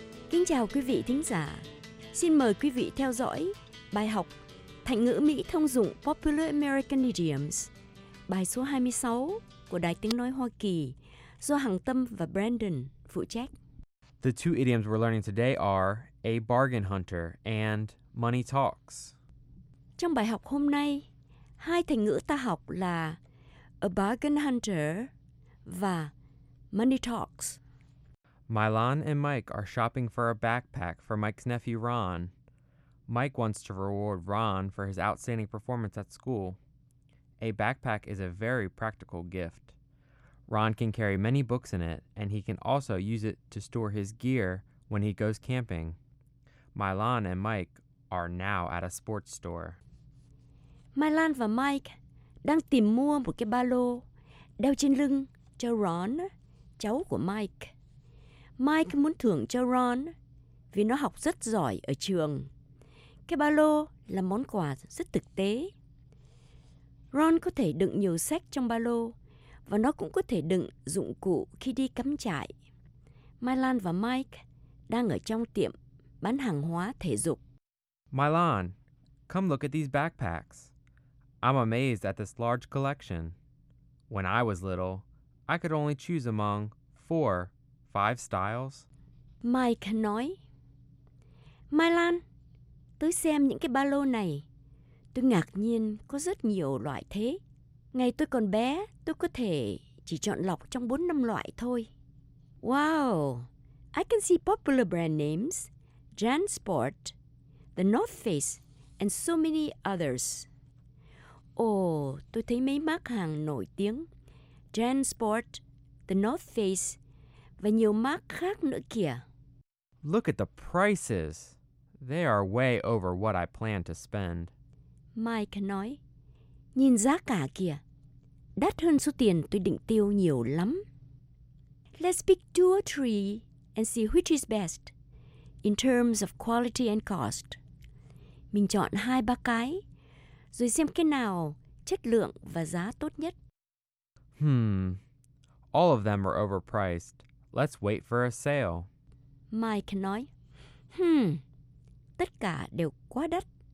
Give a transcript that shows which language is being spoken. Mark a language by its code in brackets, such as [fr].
[vi] Kính chào quý vị thính giả. Xin mời quý vị theo dõi bài học thành ngữ Mỹ thông dụng [en] Popular American Idioms, [vi] bài số 26 của Đài Tiếng Nói Hoa Kỳ, do Hằng Tâm và Brandon phụ trách. [en] The two idioms we're learning today are a bargain hunter and money talks. [vi] Trong bài học hôm nay, hai thành ngữ ta học là [en] a bargain hunter [vi] và [en] money talks. Milan and Mike are shopping for a backpack for Mike's nephew Ron. Mike wants to reward Ron for his outstanding performance at school. A backpack is a very practical gift. Ron can carry many books in it, and he can also use it to store his gear when he goes camping. Milan and Mike are now at a sports store. [vi] Milan và Mike đang tìm mua một cái ba lô đeo trên lưng cho Ron, cháu của Mike. Mike muốn thưởng cho Ron vì nó học rất giỏi ở trường. Cái ba lô là món quà rất thực tế. Ron có thể đựng nhiều sách trong ba lô và nó cũng có thể đựng dụng cụ khi đi cắm trại. Milan và Mike đang ở trong tiệm bán hàng hóa thể dục. [en] Milan, come look at these backpacks. I'm amazed at this large collection. When I was little, I could only choose among 4-5 styles. [vi] Mike nói, Milan, tôi xem những cái ba lô này. Tôi ngạc nhiên có rất nhiều loại thế. Ngày tôi còn bé, tôi có thể chỉ chọn lọc trong 4-5 loại thôi. Wow! [en] I can see popular brand names, JanSport, The North Face, and so many others. [vi] Tôi thấy mấy mác hàng nổi tiếng, JanSport, The North Face, và nhiều mác khác nữa kìa. [en] Look at the prices. They are way over what I plan to spend. [vi] Mike nói, nhìn giá cả kìa, đắt hơn số tiền tôi định tiêu nhiều lắm. [en] Let's pick two or three and see which is best in terms of quality and cost. [vi] Mình chọn hai ba cái, rồi xem cái nào chất lượng và giá tốt nhất. [en] All of them are overpriced. Let's wait for a sale. [vi] Mike nói, tất cả đều quá đắt.